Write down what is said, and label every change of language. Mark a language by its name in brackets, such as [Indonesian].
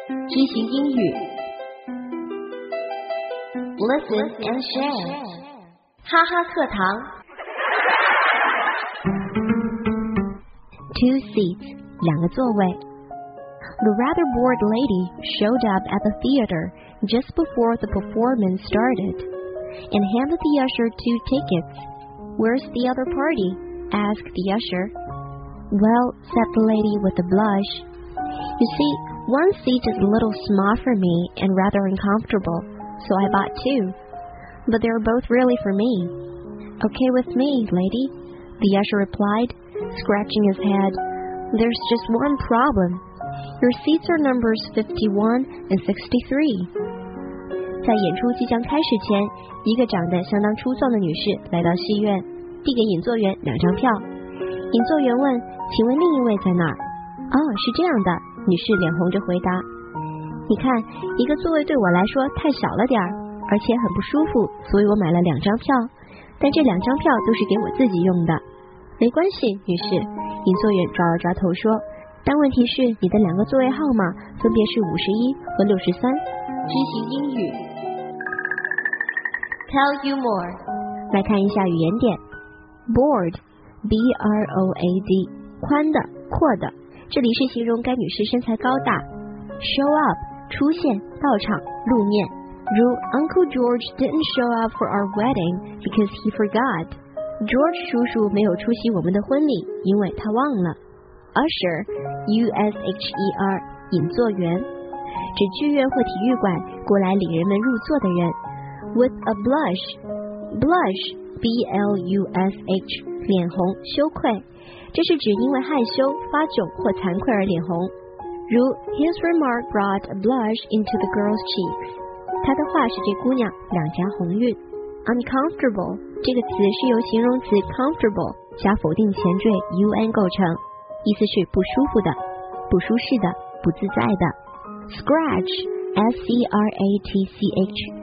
[Chinese] 学习英语 [English] Listen and share [Chinese] 哈哈课堂 [English] Two seats [Chinese] 两个座位 [English] The rather bored lady showed up at the theater just before the performance started and handed the usher two tickets Where's the other party? Asked the usher Well, said the lady with a blush You see,One seat is a little small for me and rather uncomfortable, so I bought two. But they're both really for me. Okay with me, lady, the usher replied, scratching his head. There's just one problem. Your seats are numbers 51 and 63. [Chinese] 在演出即将开始前，一个长得相当出众的女士来到戏院，递给演座员两张票。演座员问，请问另一位在哪儿？哦，是这样的。女士脸红着回答你看一个座位对我来说太小了点儿而且很不舒服所以我买了两张票但这两张票都是给我自己用的没关系女士银座员抓了抓头说但问题是你的两个座位号码分别是51和63 知行英语 [English] Tell you more [Chinese] 来看一下语言点 Board B-R-O-A-D 宽的阔的这里是形容该女士身材高大 Show up 出现到场露面 [English] 如 Uncle George didn't show up for our wedding because he forgot [Chinese] George 叔叔没有出席我们的婚礼因为他忘了 [English] Usher U-S-H-E-R [Chinese] 引座员指剧院或体育馆过来领人们入座的人 [English] With a blush Blush B-L-U-S-H [Chinese] 脸红羞愧这是指因为害羞、发窘或惭愧而脸红。 [English] 如 His remark brought a blush into the girl's cheeks. [Chinese] 他的话使这姑娘两颊红晕。 [English] Uncomfortable [Chinese] 这个词是由形容词 comfortable 加否定前缀 un 构成，意思是不舒服的、不舒适的、不自在的。 [English] Scratch S-C-R-A-T-C-H